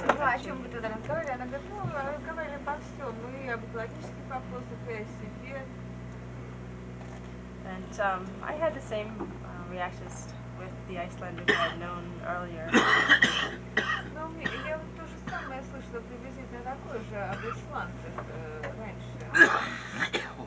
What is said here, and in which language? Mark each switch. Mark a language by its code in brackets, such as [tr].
[ru] Ну, о чем вы тогда разговаривали? Она говорит, ну, разговаривали обо всем. Ну, и об экологических вопросах, и о себе. [en] And I had the same reactions with the Icelanders I had known earlier. [ru] Ну, я вот то же самое слышала приблизительно такое же об исландцах раньше.